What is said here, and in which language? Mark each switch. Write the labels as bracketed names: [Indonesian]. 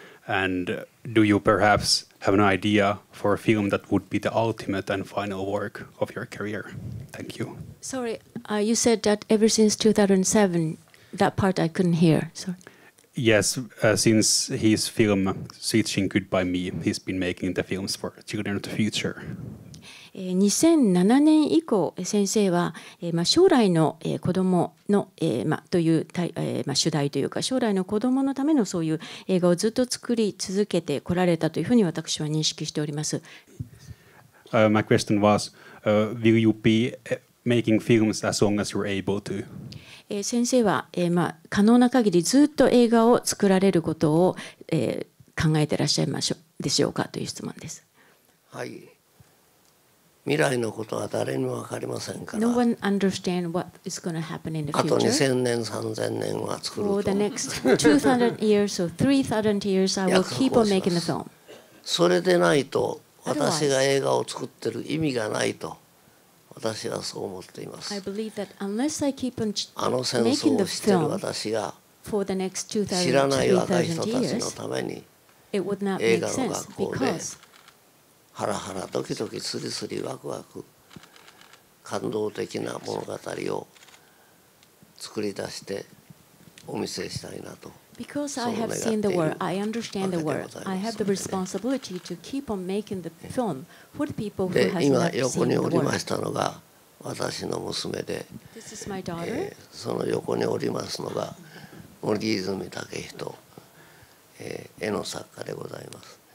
[English] And do you perhaps have an idea for a film that would be the ultimate and final work of your career? Thank you. Sorry, you said that ever since 2007, that part I couldn't hear. Sorry. Yes, since his film, Switching Goodbye Me, he's been making the films for Children of the Future. [Japanese] 2007年以降、先生は、将来の、子どもの、という、主題というか、将来の子どものためのそういう映画をずっと作り続けてこられたというふうに私は認識しております。 [English] My question was, will you be making films as long as you're able to? [Japanese] 先生は、可能な限りずっと映画を作られることを、考えてらっしゃいましょうでしょうかという質問です。はい、未来のことは誰にも分かりませんから。 [English] No one understand what is going to happen in the future. [Japanese] あと2000年3000年は作ると [English] For the next 2000 years or 3000 years I will keep on making the film. [Japanese] それでないと私が映画を作ってる意味がないと私はそう思っています。 [English] I believe that unless I keep on [Japanese] あの戦争をしている私が知らない若い人たちのために映画の学校でハラハラドキドキスリスリワクワク感動的な物語を作り出してお見せしたいなと。 [English] Because I have seen the world, I understand the world. I have the responsibility to keep on making the film for the people who have not seen the world. [Japanese] 今横におりましたのが私の娘で、 [English] This is my daughter. [Japanese] その横におりますのが森泉武人、絵の作家でございます。